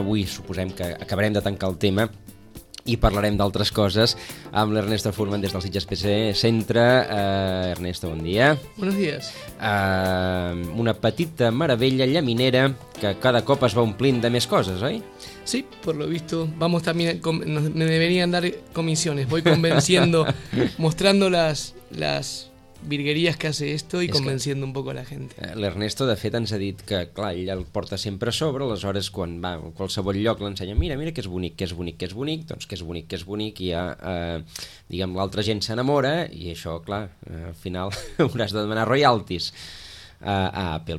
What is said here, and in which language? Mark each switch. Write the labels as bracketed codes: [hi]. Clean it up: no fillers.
[ca] Avui suposem que acabarem de tancar el tema i parlarem d'altres coses amb l'Ernesto Furman des del Sitges PC Centre. Ernesto, bon dia. [es] Buenos días. [ca] Una petita meravella llaminera que cada cop es va omplint de més coses, oi? [es] Sí, por lo visto, vamos también, me deberían dar comisiones, voy convenciendo, mostrando las virguerías que hace esto y convenciendo un poco a la gente. [ca] L'Ernesto, de fet, ens ha dit que, clar, ell el porta sempre a sobre, aleshores, quan va a qualsevol lloc l'ensenya, mira, que és bonic, que és bonic, que és bonic, doncs que és bonic, que és bonic, i ja, diguem, l'altra gent s'enamora, i això, clar, al final hauràs de demanar royalties a Apple.